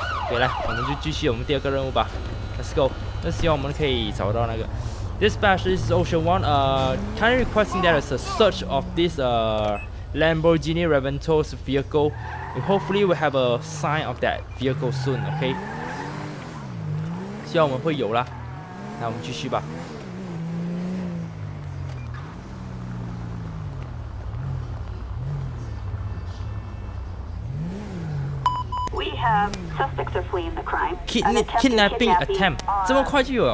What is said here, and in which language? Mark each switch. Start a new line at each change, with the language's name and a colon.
Chinese: OK， 来，我们就继续我们第二个任务吧。
English: Let's go.
Chinese: 那希望我们可以找到那个。
English: Dispatch, this is Ocean One. Kindly requesting there is a search of this Lamborghini Reventos vehicle. We hopefully will have a sign of that vehicle soon. Okay.
Chinese: 希望我们会有啦，那我们继续吧。
English: We have suspects are fleeing the crime. Kidnapping attempt.
Chinese: 这么快就有了。